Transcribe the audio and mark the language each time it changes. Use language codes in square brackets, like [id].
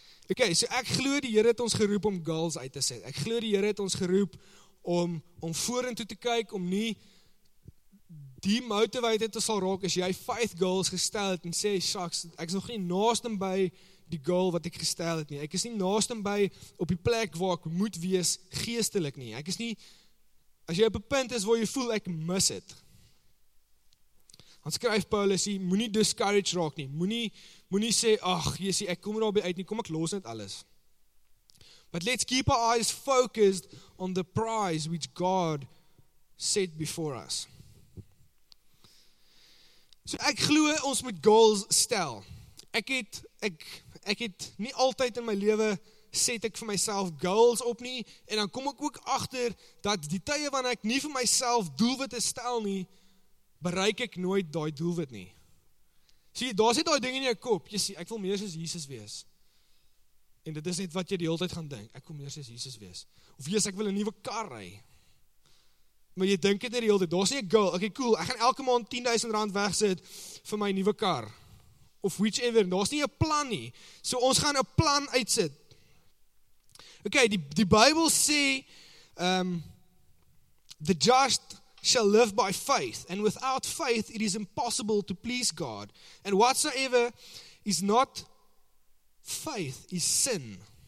[af] Ok, so ek glo die Here het ons geroep om goals uit te set. Ek glo die Here het ons geroep om vorentoe te kyk, om nie die motivated te sal raak as jy faith goals gestel het en sê, shucks, ek is nog nie naaste by die goal wat ek gestel het nie. Ek is nie naaste by op die plek waar ek moet wees geestelik nie. Ek is nie, as jy op 'n punt is waar jy voel ek mis het. Dan skryf Paulus, moenie discouraged raak nie. Moenie sê, ag, Jesus, ek kom daarby uit nie, kom ek los net alles. [en] But let's keep our eyes focused on the prize which God set before us. [af] So ek glo ons moet goals stel. Ek het nie altyd in my lewe set ek vir myself goals op nie, en dan kom ek ook agter dat die tye wanneer ek nie vir myself doelwitte stel nie, bereik ek nooit daai doelwit nie. Sien, daar sit daai ding in jou kop, jy sien, ek wil meer soos Jesus wees. En dit is net wat jy die hele tyd gaan dink, ek wil meer soos Jesus wees. Of jy sê, ek wil 'n nuwe kar ry. Maar jy dink dit net die hele tyd, daar's nie 'n goal, okay cool, ek gaan elke maand R10,000 wegsit vir my nuwe kar. Of whichever, daar's nie 'n plan nie. So ons gaan 'n plan uitsit. Okay, die Bybel sê, [en] the just shall live by faith, and without faith it is impossible to please God. And whatsoever is not faith is sin.